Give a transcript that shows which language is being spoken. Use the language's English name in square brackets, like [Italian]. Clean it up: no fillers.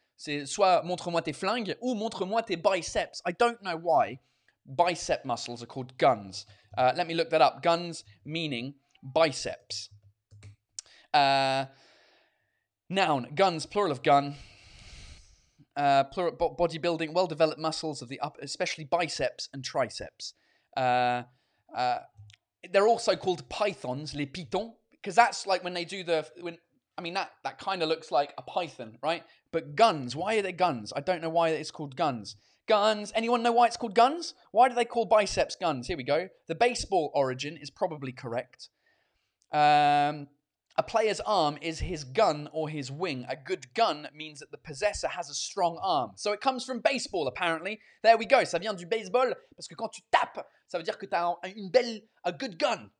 [French] C'est soit montre-moi tes flingues ou montre-moi tes biceps. [English] I don't know why bicep muscles are called guns. Let me look that up. Guns meaning biceps. Noun, guns, plural of gun. Plural, bodybuilding, well-developed muscles of the upper, especially biceps and triceps. They're also called pythons, les pitons, because that's like when they do the, when, I mean, that kind of looks like a python, right? But guns, why are they guns? I don't know why it's called guns. Guns, anyone know why it's called guns? Why do they call biceps guns? Here we go. The baseball origin is probably correct. A player's arm is his gun or his wing. A good gun means that the possessor has a strong arm. So it comes from baseball, apparently. There we go. [French] Ça vient du baseball. Parce que quand tu tapes, ça veut dire que t'as [English] a good gun.